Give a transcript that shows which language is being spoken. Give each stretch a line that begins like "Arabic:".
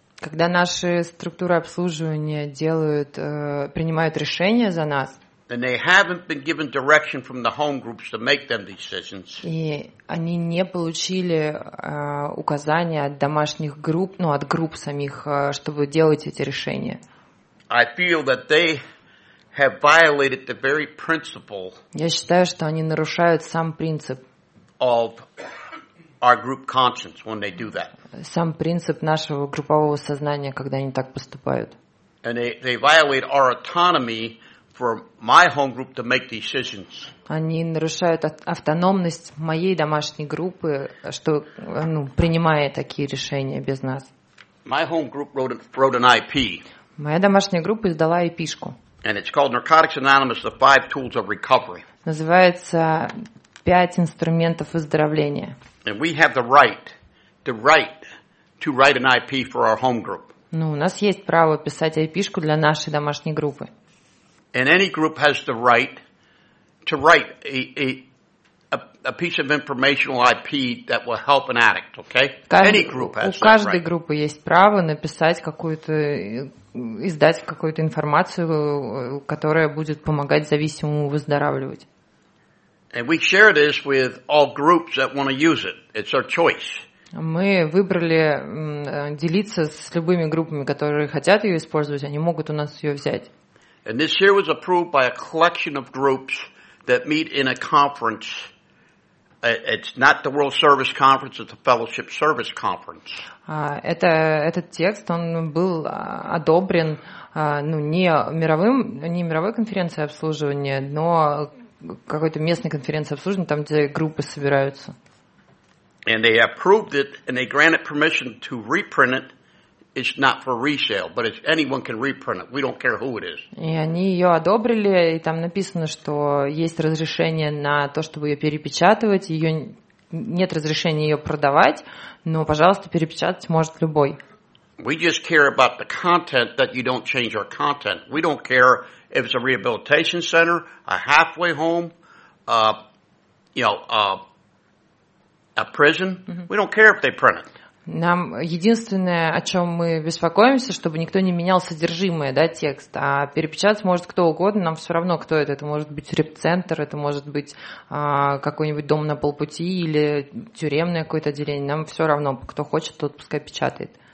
Russian: Когда наши структуры обслуживания делают, принимают решения за нас.
English: And they haven't been given direction from the home groups to make them decisions.
Russian: И они не получили указания от домашних групп, ну от групп самих, чтобы делать эти решения.
English: I feel that they have violated the very principle.
Russian: Я считаю, что они нарушают сам принцип.
English: Of our group conscience when they do that.
Russian: Сам принцип нашего группового сознания, когда они так поступают.
English: And they violate our autonomy. For my home group to make decisions.
Russian: Они нарушают автономность моей домашней группы, что ну, принимая такие решения без нас.
English: My home group wrote an IP.
Russian: Моя домашняя группа издала IP-шку.
English: And it's called Narcotics Anonymous: The Five Tools of Recovery.
Russian: Называется «Пять инструментов выздоровления».
English: And we have the right to write an IP for our home group.
Russian: Ну, у нас есть право писать IP-шку для нашей домашней группы.
English: And any group has the right to write a piece of informational IP that will help an addict, okay? Any group has that right.
Russian: У каждой группы есть право написать какую-то, издать какую-то информацию, которая будет помогать зависимому выздоравливать.
English: And we share this with all groups that want to use it. It's our choice.
Russian: Мы выбрали делиться с любыми группами, которые хотят ее использовать, они могут у нас ее взять.
English: And this year was approved by a collection of groups that meet in a conference. It's not the World Service Conference, it's the Fellowship Service Conference.
Russian: Этот текст, он был одобрен, ну, не мировой конференцией обслуживания, но какой-то местной конференцией обслуживания, там, где группы собираются.
English: And they approved it, and they granted permission to reprint it. It's not for resale, but it's anyone can reprint it. We don't care who it is.
Russian: И они ее одобрили, и там написано, что есть разрешение на то, чтобы ее перепечатывать. Ее нет разрешения ее продавать, но, пожалуйста, перепечатать может любой.
English: We just care about the content that you don't change our content. We don't care if it's a rehabilitation center, a halfway home, a prison. Mm-hmm. We don't care if they print it.
Russian: Нам единственное, о чем мы беспокоимся, чтобы никто не менял содержимое, да, текст, а перепечатать может кто угодно, нам все равно, кто это. Это может быть реп-центр, это может быть какой-нибудь дом на полпути или тюремное какое-то отделение. Нам все равно, кто хочет, тот пускай печатает.